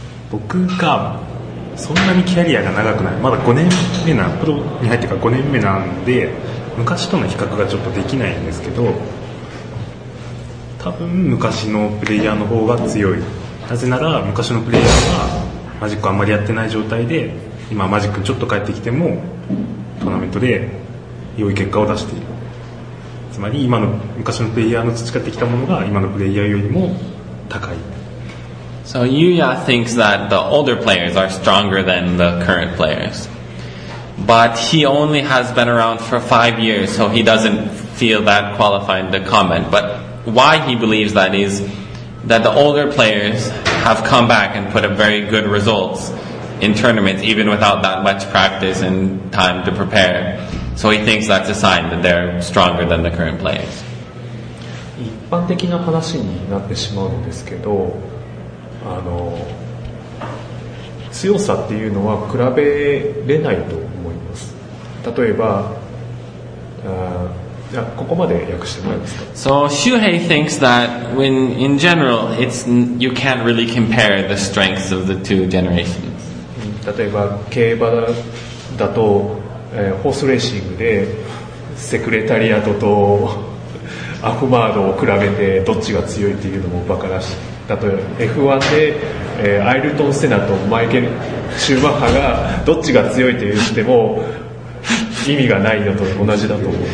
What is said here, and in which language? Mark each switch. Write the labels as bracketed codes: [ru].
[ja] 僕がそんなにキャリアが長くない、まだ5年目な、プロに入ってから5年目なんで、昔との比較がちょっとできないんですけど、多分昔のプレイヤーの方が強い。なぜなら昔のプレイヤーはマジックあんまりやってない状態で、今マジックちょっと帰ってきてもトーナメントで良い結果を出している。つまり今の昔のプレイヤーの培ってきたものが今のプレイヤーよりも高い。 [en] So Yuya thinks that the older players are stronger than the current players. But he only has been around for 5 years, so he doesn't feel that qualified to comment. But why he believes that is that the older players have come back and put up very good results in tournaments, even without that much practice and time to prepare. So he thinks that's a sign that they're stronger than the current players. [ja] 一般的な話になってしまうんですけど、あの強さっていうのは比べれないと思います。例えば、ここまで訳してもらえますか。 [en] So Shuhei thinks that when in general it's, you can't really compare the strengths of the two generations. [ja] 例えば競馬だと、ホースレーシングでセクレタリアトとアフマードを比べてどっちが強いっていうのもバカらしい。例えば F1 で、アイルトン・セナとマイケル・シューマッハがどっちが強いと言っても意味がないのと同じだと思う。